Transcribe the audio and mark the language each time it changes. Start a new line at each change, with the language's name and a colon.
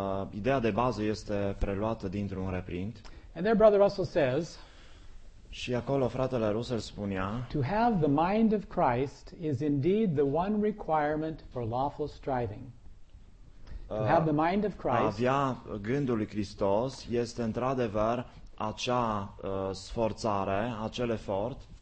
Romanian: Ideea de bază este preluată dintr-un reprint.
English: And there Brother Russell says,
Romanian: și acolo fratele Russell spunea,
English: to have the mind of Christ is indeed the one requirement for lawful striving. To have the mind of Christ.
Romanian: Avea gândul lui Hristos este într-adevăr acea sforțare, acel efort,